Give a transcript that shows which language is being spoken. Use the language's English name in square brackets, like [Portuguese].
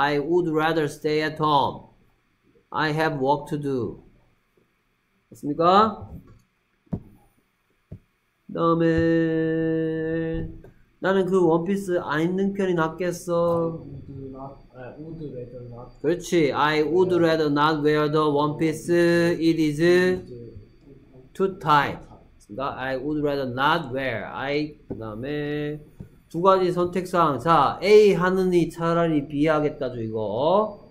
[English] I would rather stay at home. I have work to do. [Korean] 맞습니까? 그다음에 나는 그 원피스 안 입는 편이 낫겠어. [English] I would rather not [Korean] 그렇지. [English] I would rather not wear the one piece. It is too tight. I would rather not wear. [Korean] I 그다음에 두 가지 선택사항. 자, A 하느니 차라리 B 하겠다죠, 이거.